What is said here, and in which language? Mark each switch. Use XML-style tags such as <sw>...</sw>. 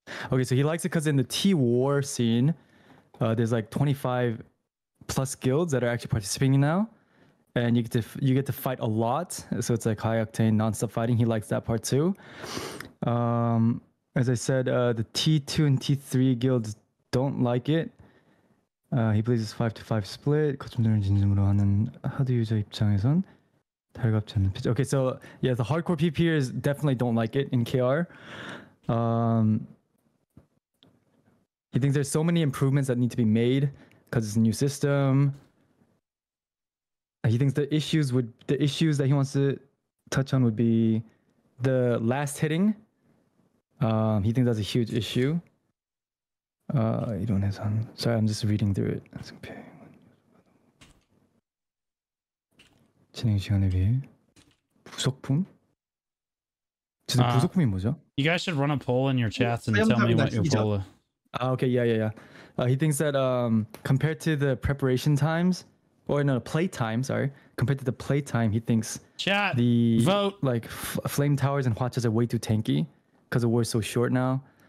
<en>오케이, so he likes it because in the T-War scene, there's like 25 plus guilds that are actually participating now. And you get to fight a lot. So it's like high octane, non-stop fighting. He likes that part too. As I said, the T2 and T3 guilds don't like it. He believes it's 5-5 split.</en> <ko>거점들은 진심으로 하는 하드 유저 입장에선 달갑지 않은 피치.</ko> <en>Okay, so yeah, the hardcore PPers definitely don't like it in KR. He thinks there's so many improvements that need to be made because it's a new system. He thinks the issues that he wants to touch on would be the last hitting. He thinks that's a huge issue. Sorry, I'm just reading through it. That's okay.</en> <ko>진행 시간에 비해 부속품? 진짜 부속품이 뭐죠?</ko> <en>You guys should run a poll in your chats and tell me what your poll is. Okay, yeah. He thinks that compared to the preparation times, or no, play time, sorry. Compared to the play time, he thinks chat, the vote. Like flame towers and watches are way too tanky because the war is so short now.</en>